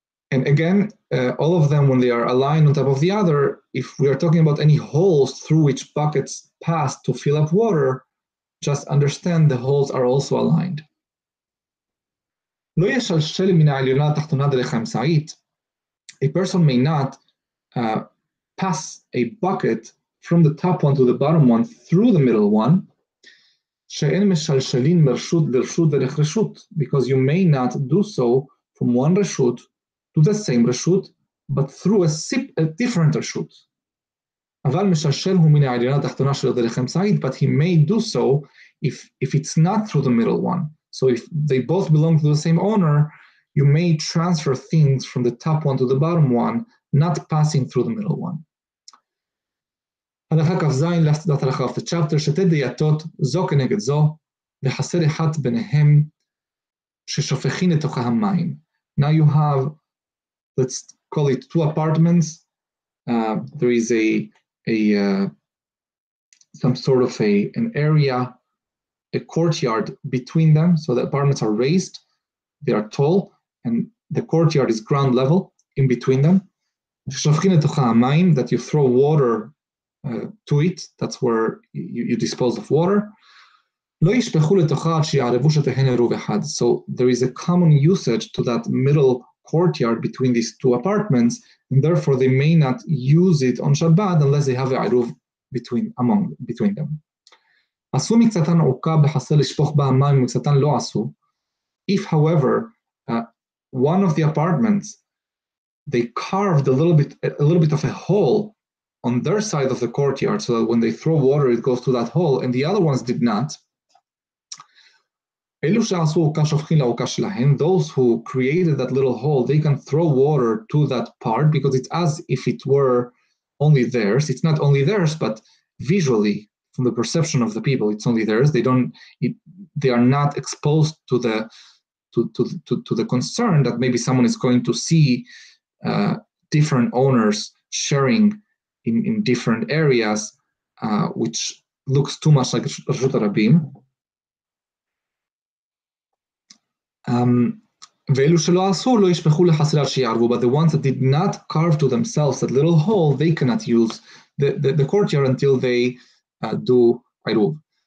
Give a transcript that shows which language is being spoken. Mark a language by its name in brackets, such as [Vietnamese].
[English] And again, all of them, when they are aligned on top of the other, if we are talking about any holes through which buckets pass to fill up water, just understand the holes are also aligned. [Hebrew] לא ישלשל מן העליונה התחתונה דרך האמצעית. [English] A person may not pass a bucket from the top one to the bottom one through the middle one, [Hebrew] שאין משלשלין מרשות לרשות דרך רשות, [English] because you may not do so from one רשות to the same רשות, but through a different רשות. [Hebrew] אבל משלשל הוא מן העליונה התחתונה שלו דרך אמצעית, [English] but he may do so if it's not through the middle one. So if they both belong to the same owner, you may transfer things from the top one to the bottom one, not passing through the middle one. [Hebrew] הלכה כ"ז, [English] last [Hebrew] דת הלכה [English] of the chapter, [Hebrew] שתי דייתות זו כנגד זו, וחסר אחת ביניהם ששופכין לתוכה המים. [English] Now you have, let's call it two apartments. There is an area, a courtyard between them. So the apartments are raised, they are tall, and the courtyard is ground level in between them. [Hebrew] ששופכין לתוכה המים, [English] that you throw water to it, that's where you dispose of water. [Hebrew] לא ישפכו לתוכה עד שיערבו שתיהן עירוב אחד. [English] So there is a common usage to that middle courtyard between these two apartments, and therefore they may not use it on Shabbat unless they have a עירוב between them. [Hebrew] עשו מקצתן עוקה בחסר לשפוך בה המים ומקצתן לא עשו. [English] If, however, one of the apartments, they carved a little bit of a hole on their side of the courtyard, so that when they throw water, it goes to that hole, and the other ones did not. [Hebrew] אלו שעשו עוקה שופכים לעוקה שלהם, [English] those who created that little hole, they can throw water to that part, because it's as if it were only theirs. It's not only theirs, but visually, from the perception of the people, it's only theirs. They are not exposed to the concern that maybe someone is going to see different owners sharing in different areas, which looks too much like Rashut Arabim. [Hebrew] ואלו שלא עשו, לא ישפכו לחסר עד שיערבו, [English] but the ones that did not carve to themselves that little hole, they cannot use the courtyard until they do עירוב.